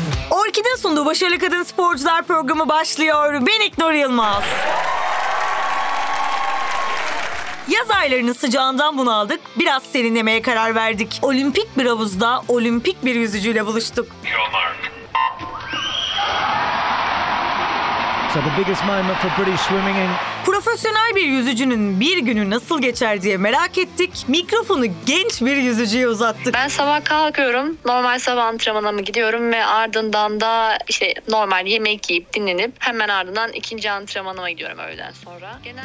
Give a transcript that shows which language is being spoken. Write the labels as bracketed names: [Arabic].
[Turkish] Orkid'in sunduğu Başarılı Kadın Sporcular programı başlıyor. Ben İknur Yılmaz. Yaz aylarının sıcağından bunaldık, biraz serinlemeye karar verdik. Olimpik bir havuzda olimpik bir yüzücüyle buluştuk. [English] So the biggest moment for British swimming in... [Turkish] Profesyonel bir yüzücünün bir günü nasıl geçer diye merak ettik. Mikrofonu genç bir yüzücüye uzattık. Ben sabah kalkıyorum, normal sabah antrenmanıma gidiyorum ve ardından da işte normal yemek yiyip dinlenip hemen ardından ikinci antrenmanıma gidiyorum öğleden sonra.